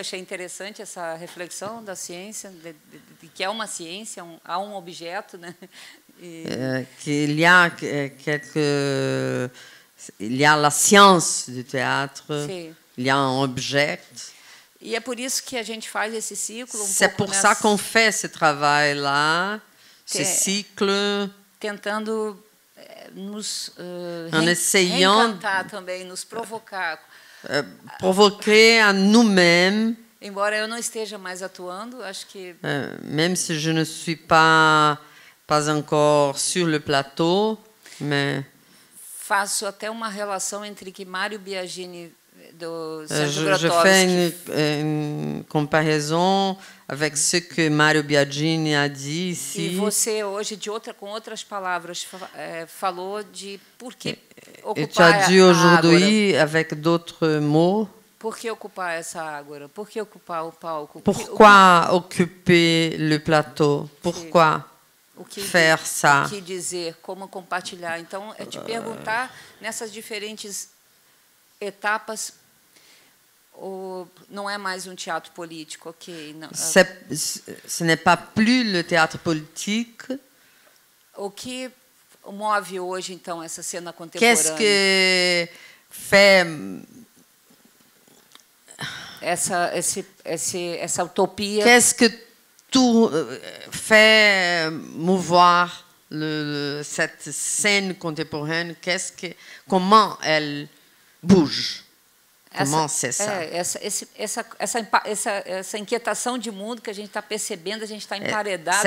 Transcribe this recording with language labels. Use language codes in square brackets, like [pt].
[pt] Achei interessante essa reflexão da ciência, de que é uma ciência, há um objeto, né? Que ele há [fr] quelque... Il y a la science du théâtre. Il y a un objet. [pt] E é por isso que a gente faz esse ciclo. [fr] C'est pour ça qu'on fait ce travail là, ce cycle. [pt] Tentando nos reencantar também, nos provocar. [fr] Provoquer a nous-mêmes. [pt] Embora eu não esteja mais atuando, acho que... [fr] Même si je ne suis pas encore sur le plateau, mais... [pt] Faço até uma relação entre que Mário Biagini do [fr] Je fais une comparaison avec ce que Mario Biagini a dit ici. [pt] E você hoje com outras palavras falou de por que ocupar essa água. [fr] Et tu as dit aujourd'hui avec d'autres mots. [pt] Por que ocupar essa água? Por que ocupar o palco? [fr] Pourquoi occuper le plateau? Pourquoi? [pt] O que, [fr] faire ça? [pt] O que dizer, como compartilhar. Então, é te perguntar nessas diferentes etapas, não é mais teatro político, ok? Não. [fr] Ce n'est pas plus le théâtre politique. [pt] O que move hoje, então, essa cena contemporânea? [fr] Qu'est-ce que fait... [pt] Essa utopia... [fr] Qu'est-ce que tout fait mouvoir cette scène contemporaine, qu'est-ce que, comment elle bouge? [pt] Essa inquietação de mundo que a gente está percebendo, a gente está emparedado.